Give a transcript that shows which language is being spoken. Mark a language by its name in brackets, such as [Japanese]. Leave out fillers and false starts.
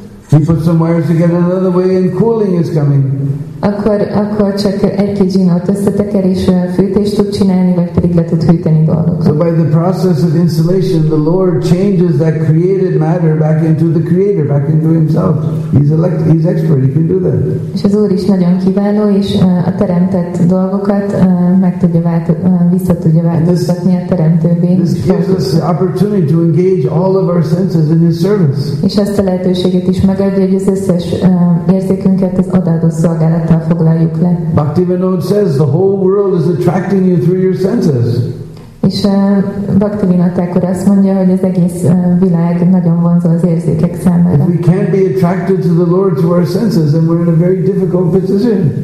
[English] he puts some wires together another way and cooling is coming. [Hungarian] Akkor csak egy kis zsinót összeteker és fűtést tud csinálni, vagy pedig le tud hűteni dolgokat. [English] So by the process of insulation, the Lord changes that created matter back into the creator, back into himself. He's expert, he can do that. [Hungarian] És az Úr is nagyon kiváló, és a teremtett dolgokat meg tudja vissza tudja változtatni a teremtővé. [English] This gives us the opportunity to engage all of our senses in his service. [Hungarian] És ezt a lehetőséget is megadja, hogy az összes érzékünket az odaadó szolgálat. [English] Bhaktivinoda says the whole world is attracting you through your senses. [Hungarian] És Bhaktivinoda akkor azt mondja, hogy az egész világ nagyon vonzó az érzékek számára. [English] If we can't be attracted to the Lord through our senses, then we're in a very difficult position.